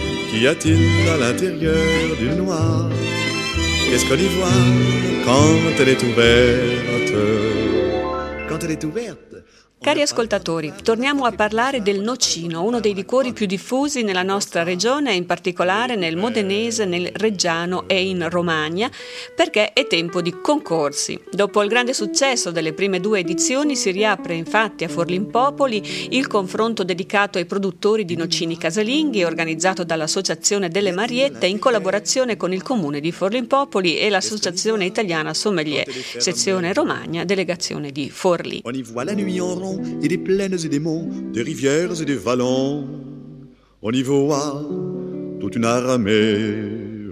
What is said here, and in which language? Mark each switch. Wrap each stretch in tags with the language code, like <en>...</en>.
<fr>Qu'y a-t-il à l'intérieur d'une noix? Qu'est-ce qu'on y voit quand elle est ouverte? Quand elle est ouverte.</fr> <it>Cari ascoltatori, torniamo a parlare del nocino, uno dei liquori più diffusi nella nostra regione, in particolare nel modenese, nel reggiano e in Romagna, perché è tempo di concorsi. Dopo il grande successo delle prime due edizioni si riapre infatti a Forlimpopoli il confronto dedicato ai produttori di nocini casalinghi, organizzato dall'Associazione delle Mariette in collaborazione con il Comune di Forlimpopoli e l'Associazione Italiana Sommelier, sezione Romagna, delegazione di Forlì.</it> <fr>Et des plaines et des monts, des rivières et des vallons, on y voit toute une armée.</fr>